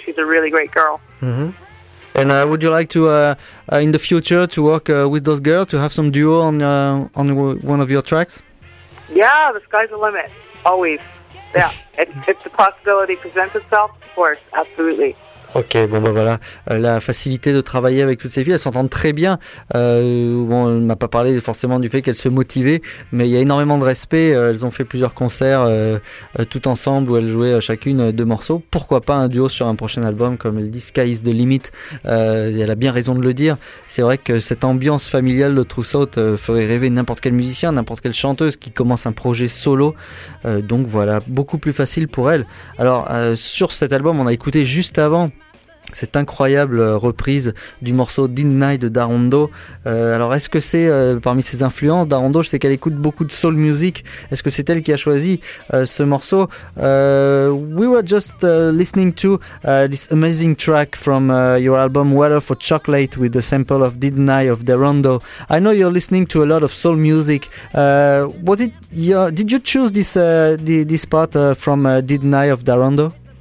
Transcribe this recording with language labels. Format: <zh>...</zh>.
<en>She's a really great girl. Mm-hmm. And would you like to in the future to work with those girls to have some duo on one of your tracks? Yeah, the sky's the limit, always. Yeah. If the possibility presents itself, of course, absolutely.</en> <fr>Ok, bon ben voilà, la facilité de travailler avec toutes ces filles, elles s'entendent très bien. Bon, elle m'a pas parlé forcément du fait qu'elles se motivaient, mais il y a énormément de respect. Elles ont fait plusieurs concerts tout ensemble où elles jouaient chacune deux morceaux. Pourquoi pas un duo sur un prochain album, comme elle dit,</fr> <en>Sky is the limit.</en> <fr>Elle a bien raison de le dire. C'est vrai que cette ambiance familiale de Trousseaute ferait rêver n'importe quel musicien, n'importe quelle chanteuse qui commence un projet solo. Donc voilà, beaucoup plus facile pour elle. Alors sur cet album, on a écouté juste avant cette incroyable reprise du morceau Dean Nye de Darondo. Alors est-ce que c'est parmi ses influences Darondo, je sais qu'elle écoute beaucoup de soul music, est-ce que c'est elle qui a choisi ce morceau?</fr> <en>We were just listening to this amazing track from your album Water for Chocolate with the sample of Dean Nye of Darondo. I know you're listening to a lot of soul music. Was it did you choose this this part from Dean Nye of Darondo?</en>